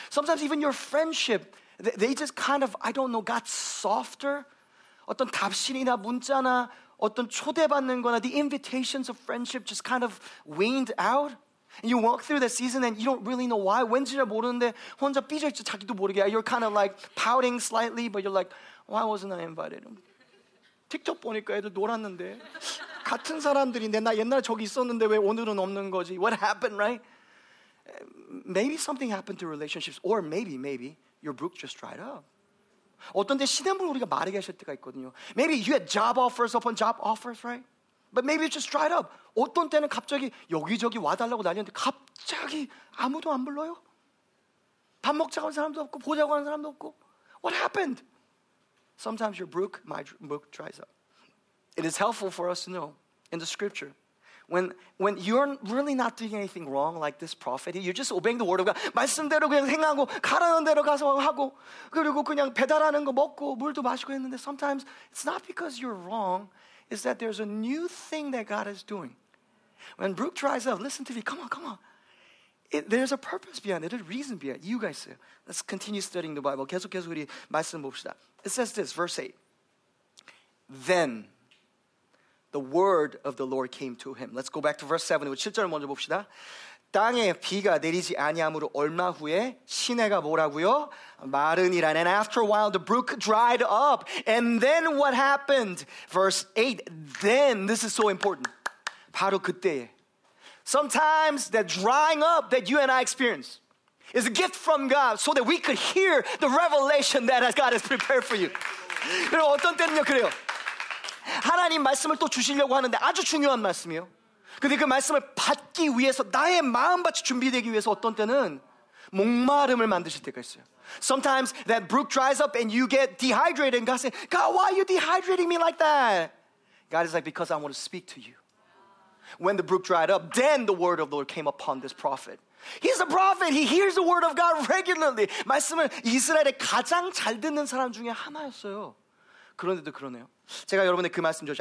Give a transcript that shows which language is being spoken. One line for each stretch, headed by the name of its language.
English: Sometimes even your friendship, they just kind of, I don't know, got softer.
Korean: 어떤 답신이나 문자나 어떤 초대받는 거나
English: the invitations of friendship just kind of waned out. And you walk through the season and you don't really know why.
Korean: 왠지 잘 모르는데 혼자 삐져있죠. 자기도 모르게.
English: You're kind of like pouting slightly, but you're like, why wasn't I invited?
Korean: 틱톡 보니까 애들 놀았는데. 같은 사람들인데 나 옛날에 저기 있었는데 왜 오늘은 없는 거지?
English: What happened, right? Maybe something happened to relationships, or maybe your brook just dried up.
Korean: 어떤 때 시냇물 우리가 마르게 하실 때가 있거든요.
English: Maybe you had job offers upon job offers, right? But maybe it just dried up.
Korean: 어떤 때는 갑자기 여기저기 와달라고 난리인데 갑자기 아무도 안 불러요. 밥 먹자고 하는 사람도 없고 보자고 하는 사람도 없고.
English: What happened? Sometimes your brook, my brook dries up. It is helpful for us to know in the scripture. When you're really not doing anything wrong like this prophet, you're just obeying the word of God.
Korean: 말씀대로 그냥 행하고 가라는 대로 가서 하고 그리고 그냥 배달하는 거 먹고 물도 마시고 했는데
English: sometimes it's not because you're wrong. It's that there's a new thing that God is doing. When Brooke dries up, listen to me. Come on. There's a purpose behind it. There's a reason behind it. You guys say, let's continue studying the Bible.
Korean: 계속 우리 말씀 봅시다.
English: It says this, verse 8. Then the word of the Lord came to him. Let's go back to verse 7.
Korean: 7절을 먼저 봅시다. 땅에 비가 내리지 아니함으로 얼마 후에 시냇가 뭐라고요? 마르니라.
English: And after a while, the brook dried up. And then what happened? Verse 8. Then, this is so important.
Korean: 바로 그때에.
English: Sometimes that drying up that you and I experience is a gift from God so that we could hear the revelation that God has prepared for you.
Korean: 그리고 어떤 때는요, 그래요. 하나님 말씀을 또 주시려고 하는데 아주 중요한 말씀이요. 근데 그 말씀을 받기 위해서 나의 마음밭이 준비되기 위해서 어떤 때는 목마름을 만드실 때가 있어요.
English: Sometimes that brook dries up and you get dehydrated and God says, God, why are you dehydrating me like that? God is like, because I want to speak to you. When the brook dried up, then the word of the Lord came upon this prophet. He's a prophet. He hears the word of God regularly.
Korean: 말씀을 이스라엘의 가장 잘 듣는 사람 중에 하나였어요. 그런데도 그러네요. 제가 여러분의 그 말씀 줬죠.